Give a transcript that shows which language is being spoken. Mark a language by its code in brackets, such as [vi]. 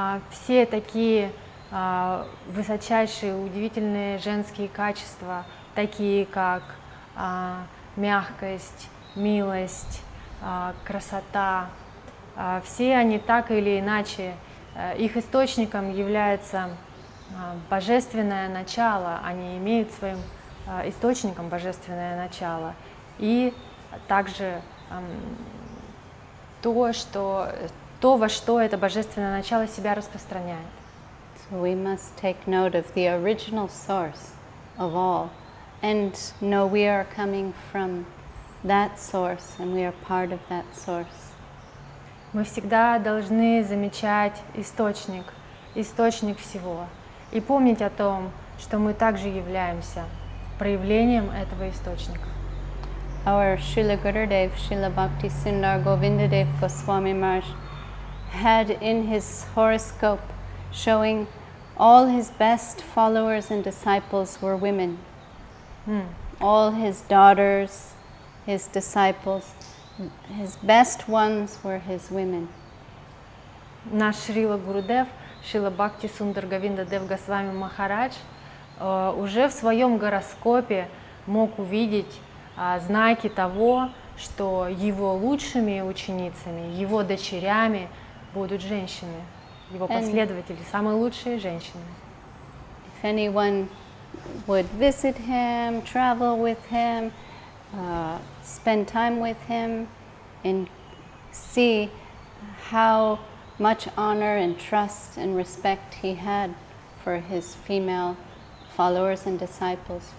[ru] Все такие высочайшие, удивительные женские качества, такие как мягкость, милость, красота, все они так или иначе, их источником является божественное начало, они имеют своим источником божественное начало, и также то, во что это божественное начало себя распространяет. [en] So we must take note of the original source of all and know we are coming from that source and we are part of that source. [ru] Мы всегда должны замечать источник всего и помнить о том, что мы также являемся проявлением этого источника. [en] our Srila Gurudev, Srila Bhakti Sundar Govindadev Goswami Maharaj, had in his horoscope showing all his best followers and disciples were women. Hmm. All his daughters, his disciples, his best ones were his women. [ru] Наш Шрила Гурудев, Шрила Бхакти Сундар Говинда Дев Госвами Махарадж уже в своем гороскопе мог увидеть знаки того, что его лучшими ученицами, его дочерями будут женщины, его последователи, самые лучшие женщины. [en] If anyone would visit him, travel with him, spend time with him and see how much honor and trust and respect he had for his female followers and disciples.